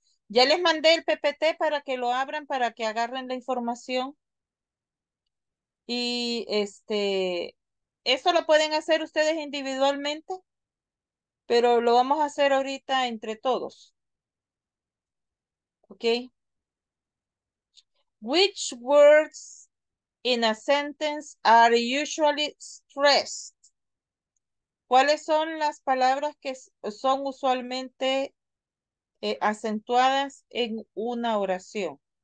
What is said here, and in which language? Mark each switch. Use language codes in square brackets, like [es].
[es] Ya les mandé el PPT para que lo abran, para que agarren la información. Y esto lo pueden hacer ustedes individualmente, pero lo vamos a hacer ahorita entre todos. [en] Okay. Which words in a sentence are usually stressed? [es] ¿Cuáles son las palabras que son usualmente acentuadas en una oración?